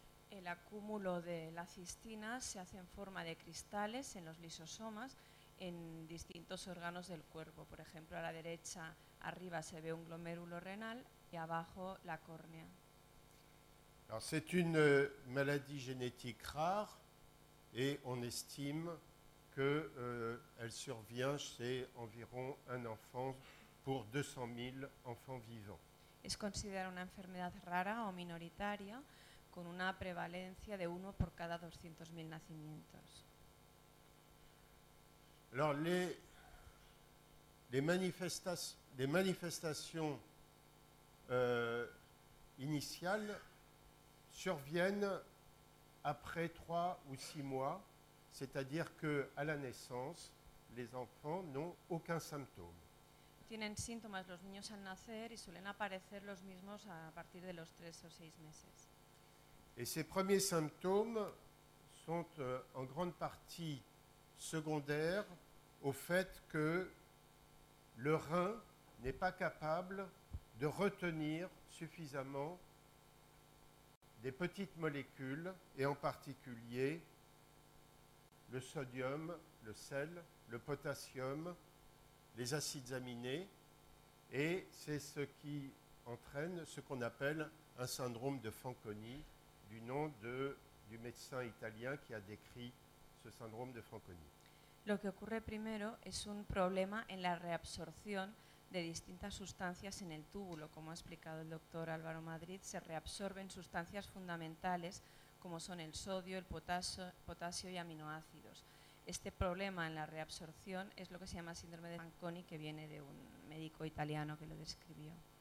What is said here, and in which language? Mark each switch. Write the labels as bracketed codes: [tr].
[es] El acúmulo de la cistina se hace en forma de cristales en los lisosomas en distintos órganos del cuerpo. Por ejemplo, a la derecha arriba se ve un glomérulo renal y abajo la córnea. [fr] Alors, c'est une maladie génétique rare et on estime qu'elle survient chez environ un enfant pour 200 000 enfants vivants. [es] Es considerada una enfermedad rara o minoritaria con una prevalencia de 1 por cada 200 000 nacimientos. [fr] Alors, les manifestations initiales surviennent après 3 ou 6 mois, c'est-à-dire que à la naissance, les enfants n'ont aucun symptôme. [es] Tienen síntomas los niños al nacer y suelen aparecer los mismos a partir de los 3 o 6 meses. [fr] Et ces premiers symptômes sont en grande partie secondaires au fait que le rein n'est pas capable de retenir suffisamment des petites molécules, et en particulier le sodium, le sel, le potassium, les acides aminés, et c'est ce qui entraîne ce qu'on appelle un syndrome de Fanconi, du nom du médecin italien qui a décrit ce syndrome de Fanconi. [es] Lo que ocurre primero es un problema en la reabsorción de distintas sustancias en el túbulo. Como ha explicado el doctor Álvaro Madrid, se reabsorben sustancias fundamentales como son el sodio, el potasio y aminoácidos. Este problema en la reabsorción es lo que se llama síndrome de Fanconi, que viene de un médico italiano que lo describió.